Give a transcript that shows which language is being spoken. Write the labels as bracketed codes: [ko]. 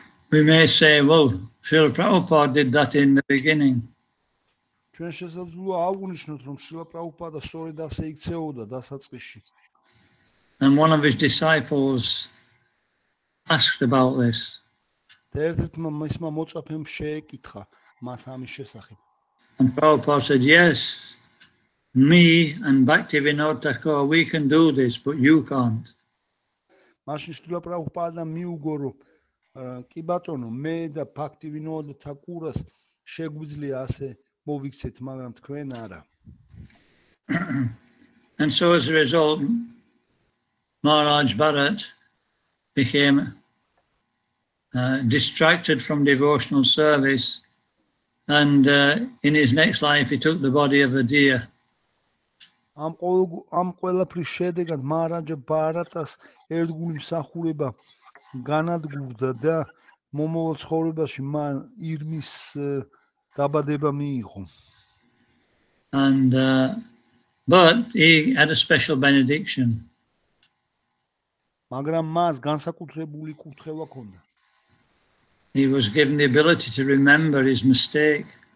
[en] We may say, well, Srila Prabhupada did that in the beginning. [ka] ჩვენ შესაძლოა აღვნიშნოთ, რომ შილა პრაუპადა სწორედ ასე იქცეოდა დასაწყისში. [en] And one of his disciples asked about this. [ka] ერთმა მისმა მოწაფემ შეეკითხა მას ამის შესახებ. [en] And Prabhupada said, yes, me and Bhaktivinoda Thakur, we can do this, but you can't. [ka] მაშინ შილა პრაუპადა მიუგო, რომ კი ბატონო, მე და ბაქტივინოდა თაკურას შეგვიძლია ასე მოვიქცეთ, მაგრამ თქვენ არა. [en] And so as a result, Maharaj Bharat became distracted from devotional service, and in his next life he took the body of a deer. [ka] ამ ყველაფრის შედეგად მარაჯ ბარატას ერთგული მსახურება განადგურდა და მომავალ ცხოვრებაში მან ირმის დაბადება მიიღო. [en] And but he had a special benediction. [ka] მაგრამ მას განსაკუთრებული კურთხევა ჰქონდა. [en] He was given the ability to remember his mistake.